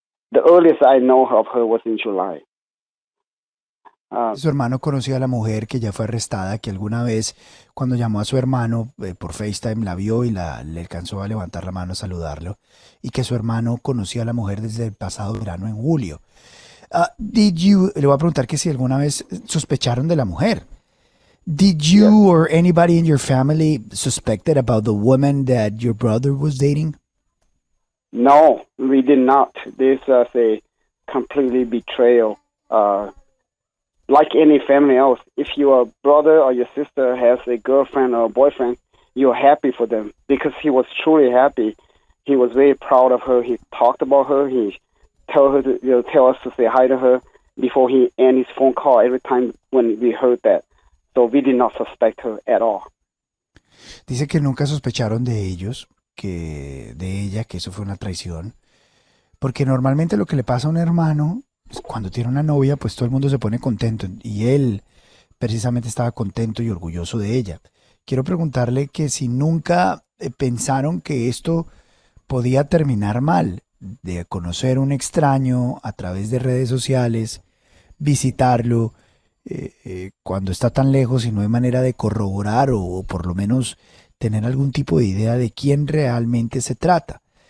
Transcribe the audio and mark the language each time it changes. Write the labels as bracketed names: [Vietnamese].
[English] The earliest I know of her was in July. [Spanish] Su hermano conocía a la mujer que ya fue arrestada, que alguna vez cuando llamó a su hermano por FaceTime la vio y le alcanzó a levantar la mano a saludarlo, y que su hermano conocía a la mujer desde el pasado verano en julio. Le voy a preguntar que si alguna vez sospecharon de la mujer. [English] Did you or anybody in your family suspected about the woman that your brother was dating? No, we did not. This is a completely betrayal. Like any family else, if your brother or your sister has a girlfriend or a boyfriend, you're happy for them because he was truly happy. He was very proud of her. He talked about her. He tell us to say hi to her before he end his phone call every time when we heard that. So we did not suspect her at all. [Spanish] Dice que nunca sospecharon de ellos, que de ella, que eso fue una traición, porque normalmente lo que le pasa a un hermano cuando tiene una novia, pues todo el mundo se pone contento, y él precisamente estaba contento y orgulloso de ella. Quiero preguntarle que si nunca pensaron que esto podía terminar mal, de conocer un extraño a través de redes sociales, visitarlo cuando está tan lejos y no hay manera de corroborar o por lo menos tener algún tipo de idea de quién realmente se trata.